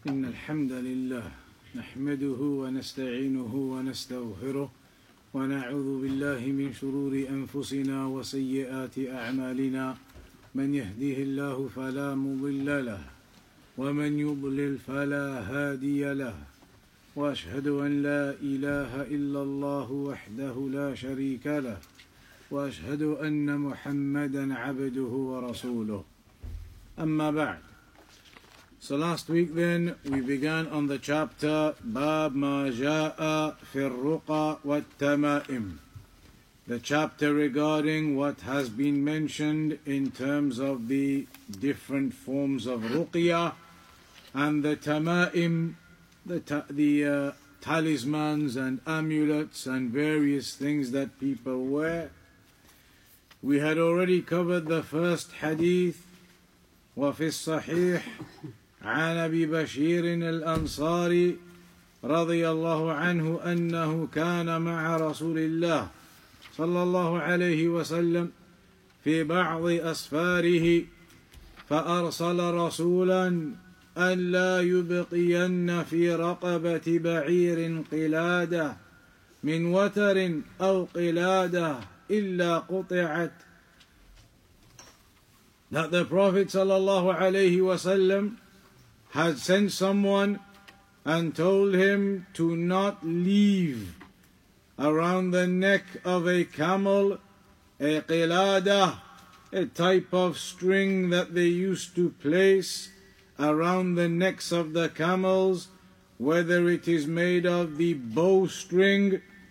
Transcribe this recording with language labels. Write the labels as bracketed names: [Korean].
[Arabic] إن الحمد لله نحمده ونستعينه ونستغفره ونعوذ بالله من شرور أنفسنا وسيئات أعمالنا من يهديه الله فلا مضل له ومن يضلل فلا هادي له وأشهد أن لا إله إلا الله وحده لا شريك له وأشهد أن محمدًا عبده ورسوله أما بعد. [English] So last week then, we began on the chapter Bab [Arabic] ما جاء في الرقى والتمائم, [English] the chapter regarding what has been mentioned in terms of the different forms of ruqya and the tamaim, the talismans and amulets and various things that people wear. We had already covered the first hadith, [Arabic] وفي الصحيح عن أبي بشير الأنصاري رضي الله عنه أنه كان مع رسول الله صلى الله عليه وسلم في بعض أسفاره فأرسل رسولا أن لا يبقين في رقبة بعير قلادة من وتر أو قلادة إلا قطعت. [English] That the Prophet sallallahu alayhi wasallam had sent someone and told him to not leave around the neck of a camel a qilada, a type of string that they used to place around the necks of the camels, whether it is made of the bowstring